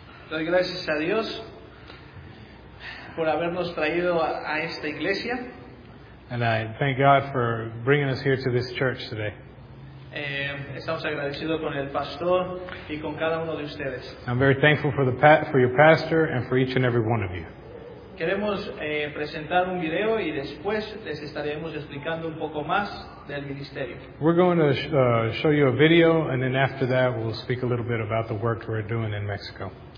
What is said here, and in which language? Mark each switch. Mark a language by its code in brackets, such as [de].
[es] Doy gracias a Dios por habernos traído a esta iglesia. [en] And I thank God for bringing us here to this church today. [es] Estamos agradecidos con el pastor y con cada uno de ustedes. [en] I'm very thankful for your pastor and for each and every one of you. [es] Queremos presentar un video y después les estaremos explicando un poco más del ministerio. [en] We're going to show you a video and then after that we'll speak a little bit about the work we're doing in Mexico.